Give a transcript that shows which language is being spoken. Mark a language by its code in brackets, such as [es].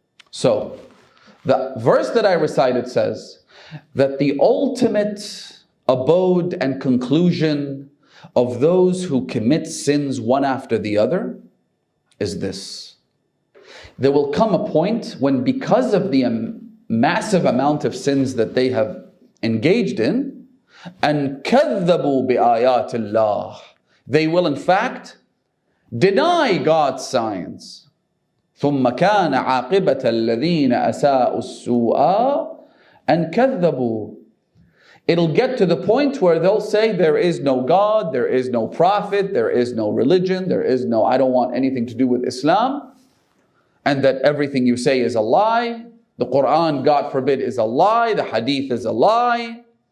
[en] So, the verse that I recited says that the ultimate abode and conclusion of those who commit sins one after the other is this. There will come a point when, because of the massive amount of sins that they have engaged in, and [ar] كذبوا بآيات الله. [en] They will in fact deny God's signs. [ar] ثم كان عاقبة الذين أساءوا السوء أن كذبوا. [en] It'll get to the point where they'll say there is no God, there is no prophet, there is no religion, there is no, I don't want anything to do with Islam, and that everything you say is a lie. The Quran, God forbid, is a lie. The Hadith is a lie.